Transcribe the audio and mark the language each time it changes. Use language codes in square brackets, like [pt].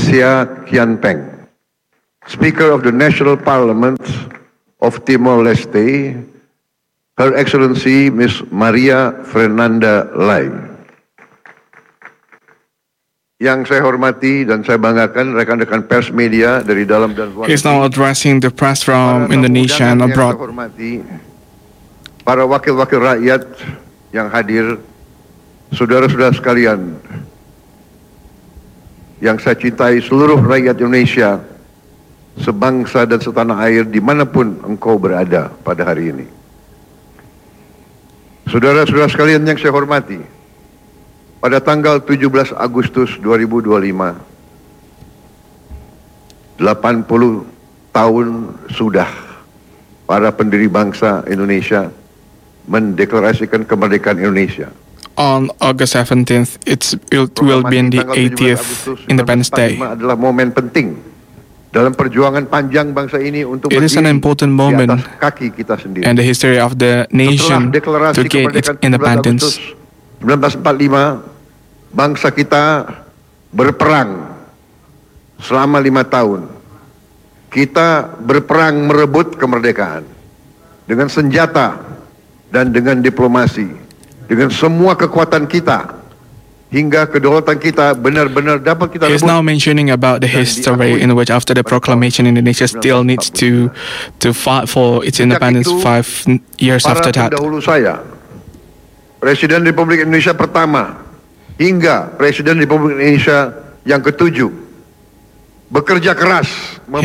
[en] Sia Kian Peng. Speaker of the National Parliament of Timor-Leste, Her Excellency Ms. Maria Fernanda Lai. [id] Yang saya hormati dan saya banggakan rekan-rekan pers media dari dalam dan luar. [en] He is now addressing the press from Indonesia and abroad. [id] Saya hormati para wakil-wakil rakyat yang hadir, saudara-saudara sekalian yang saya cintai, seluruh rakyat Indonesia sebangsa dan setanah air dimanapun engkau berada pada hari ini. Saudara-saudara sekalian yang saya hormati, pada tanggal 17 Agustus 2025, 80 tahun sudah para pendiri bangsa Indonesia mendeklarasikan kemerdekaan Indonesia. [en] On August 17th, it will be the 80th Independence Day. [id] Adalah momen penting dalam perjuangan panjang bangsa ini untuk berdiri. [en] It is an important moment [id] kaki kita sendiri. [en] And the history of the nation to gain its independence. [id] 1945, bangsa kita berperang selama 5 tahun. Kita berperang merebut kemerdekaan dengan senjata dan dengan diplomasi, dengan semua kekuatan kita, hingga kedaulatan kita benar-benar dapat kita rebut. [en] He is now mentioning about the history in which after the proclamation Indonesia still needs to fight for its independence 5 years after that. [id] Dahulu saya, Presiden Republik Indonesia pertama hingga Presiden Republik Indonesia yang ketujuh bekerja keras membangun.